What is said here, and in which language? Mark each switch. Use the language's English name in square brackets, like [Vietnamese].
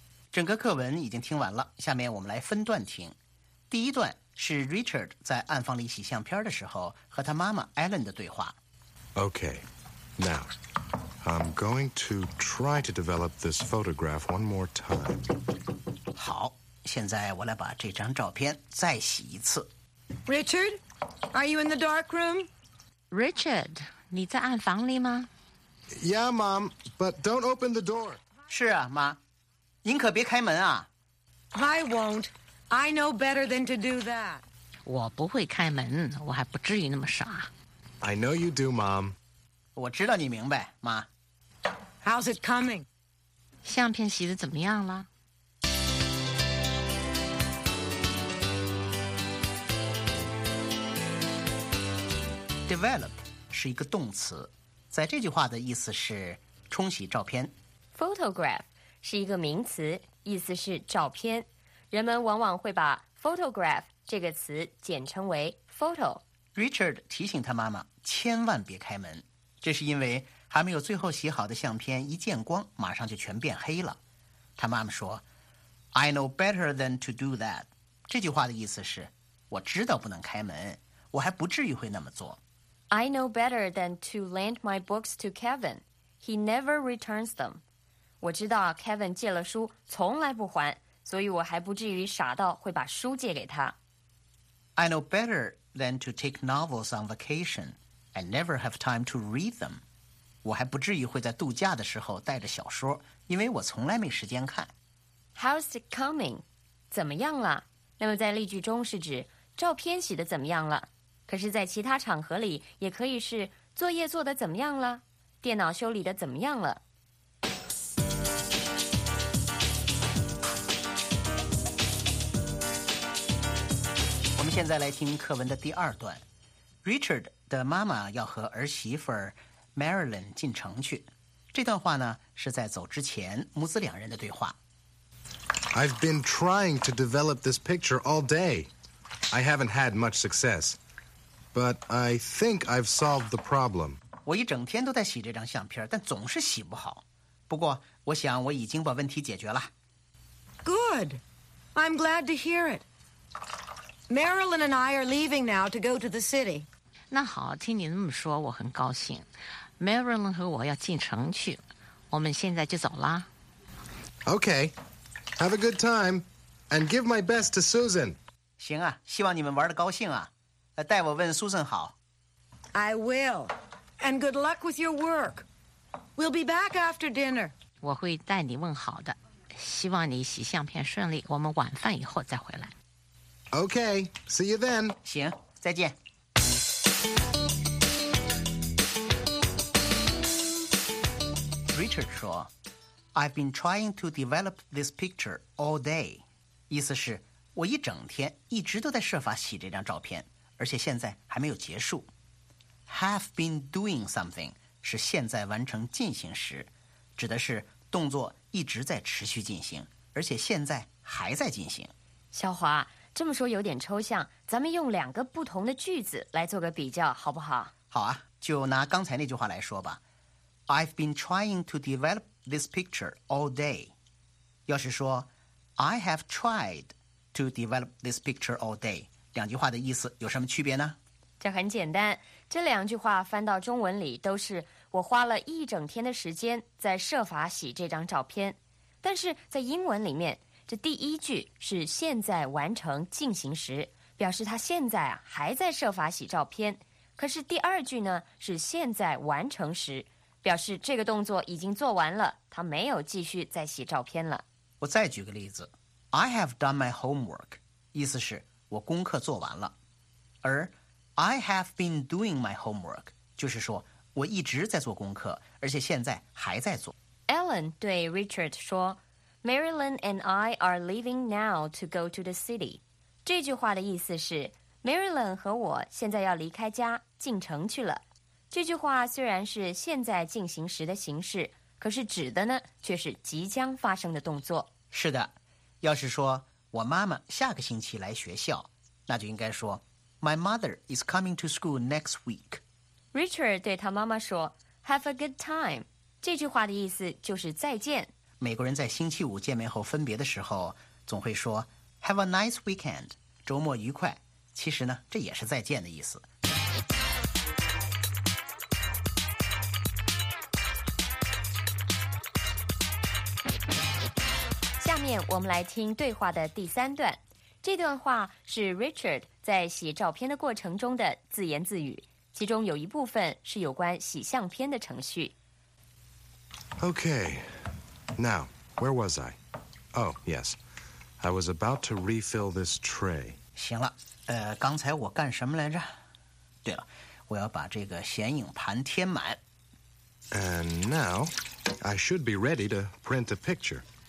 [Chinese] 整个课文已经听完了，下面我们来分段听。第一段是 Richard 在暗房里洗相片的时候和他妈妈 Ellen 的对话。 [English] Okay, now... I'm going to try to develop this photograph one more time. [Chinese] 好，现在我来把这张照片再洗一次。 [English] Richard, are you in the dark room? [Chinese] Richard, 你在暗房里吗？ [English] Yeah, Mom, but don't open the door. [Chinese] 是啊，妈，您可别开门啊。 [English] I won't. I know better than to do that. [Chinese] 我不会开门，我还不至于那么傻。 [English] I know you do, Mom. [Chinese] 我知道你明白，妈。 [English] How's it coming? [Chinese] 相片洗得怎么样了？ Develop 是一个动词，在这句话的意思是冲洗照片。 Photograph 是一个名词，意思是照片。人们往往会把 photograph 这个词简称为 photo。 Richard 提醒他妈妈千万别开门，这是因为还没有最后洗好的相片一见光马上就全变黑了。他妈妈说 [English] I know better than to do that， [Chinese] 这句话的意思是我知道不能开门，我还不至于会那么做。 [English] I know better than to lend my books to Kevin， he never returns them。 [Chinese] 我知道 Kevin 借了书从来不还，所以我还不至于傻到会把书借给他。 [English] I know better than to take novels on vacation and never have time to read them。 [Chinese] 我还不至于会在度假的时候带着小说，因为我从来没时间看。 [English] How's it coming? [Chinese] 怎么样了？那么在例句中是指照片洗得怎么样了，可是在其他场合里也可以是作业做得怎么样了，电脑修理得怎么样了。我们现在来听课文的第二段。Richard 的妈妈要和儿媳妇儿Marilyn 进城去，这段话呢是在走之前母子两人的对话。 [English] I've been trying to develop this picture all day. I haven't had much success, but I think I've solved the problem. [Chinese] 我一整天都在洗这张相片，但总是洗不好。不过，我想我已经把问题解决了。 [English] Good. I'm glad to hear it. Marilyn and I are leaving now to go to the city. [Chinese] 那好，听你那么说我很高兴。Marilyn 和我要进城去，我们现在就走啦。 [English] OK, have a good time and give my best to Susan. [Chinese] 行啊，希望你们玩得高兴啊，代我问 Susan 好。 [English] I will, and good luck with your work. We'll be back after dinner. [Chinese] 我会代你问好的，希望你洗相片顺利，我们晚饭以后再回来。 [English] OK, see you then. [Chinese] 行，再见。 [English] Richard [Chinese] 说 [English] I've been trying to develop this picture all day. [Chinese] 意思是我一整天一直都在设法洗这张照片，而且现在还没有结束。 [English] Have been doing something [Chinese] 是现在完成进行时，指的是动作一直在持续进行，而且现在还在进行。小华，这么说有点抽象，咱们用两个不同的句子来做个比较好不好？好啊，就拿刚才那句话来说吧。 [English] I've been trying to develop this picture all day. [Chinese] 要是说 [English] I have tried to develop this picture all day. [Chinese] 两句话的意思有什么区别呢？这很简单，这两句话翻到中文里都是我花了一整天的时间在设法洗这张照片。但是在英文里面，这第一句是现在完成进行时，表示他现在啊还在设法洗照片。可是第二句呢是现在完成时，表示这个动作已经做完了，他没有继续再洗照片了。我再举个例子 ， [English] I have done my homework， [Chinese] 意思是我功课做完了。而 [English] I have been doing my homework， [Chinese] 就是说我一直在做功课，而且现在还在做。 [English] Ellen 对 Richard [Chinese] 说 [English] ，Marilyn and I are leaving now to go to the city。 [Chinese] 这句话的意思是 ，Marilyn 和我现在要离开家，进城去了。这句话虽然是现在进行时的形式，可是指的呢却是即将发生的动作。是的，要是说我妈妈下个星期来学校，那就应该说 [English] My mother is coming to school next week. [Chinese] Richard 对他妈妈说 [English] Have a good time. [Chinese] 这句话的意思就是再见。美国人在星期五见面后分别的时候总会说 [English] Have a nice weekend. [Chinese] 周末愉快。其实呢这也是再见的意思。面我们来听对话的第三段。这段话是 Richard 在洗照片的过程中的自言自语，其中有一部分是有关洗相片的程序。 [English] Okay, now, where was I? Oh, yes, I was about to refill this tray. [Chinese] 行了，刚才我干什么来着？对了，我要把这个显影盘填满。 [English] And now, I should be ready to print a picture.